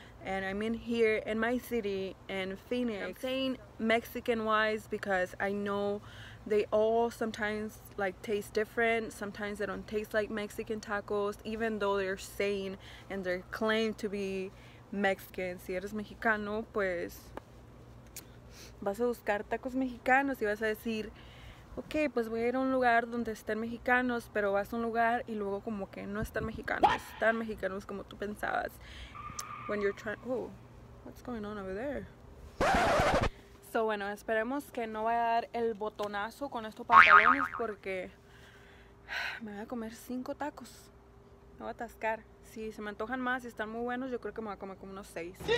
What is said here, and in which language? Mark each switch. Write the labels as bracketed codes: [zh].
[en] And I mean here in my city, in Phoenix. I'm saying Mexican-wise because I know they all sometimes like taste different. Sometimes they don't taste like Mexican tacos, even though they're saying and they're claimed to be Mexican. [es] Si eres mexicano, pues vas a buscar tacos mexicanos y vas a decir, okay, pues voy a ir a un lugar donde estén mexicanos, pero vas a un lugar y luego como que no están mexicanos, están mexicanos como tú pensabas. [en] When you're trying, oh, what's going on over there? So, [es] bueno, esperemos que no vaya a dar el botonazo con estos pantalones porque me voy a comer 5 tacos. Me voy a atascar. Si se me antojan más y si están muy buenos, yo creo que me voy a comer como unos 6.